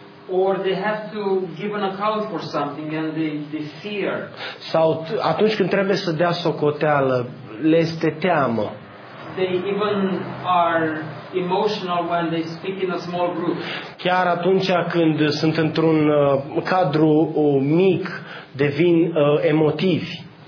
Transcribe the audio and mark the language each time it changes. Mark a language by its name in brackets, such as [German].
[English] Or they have to give an account for something and they fear. [Romanian] Sau atunci când trebuie să dea socoteală, le este teamă. [English] They even are emotional when they speak in a small group. [Romanian] Chiar atunci când sunt într-un cadru mic, devin emotivi.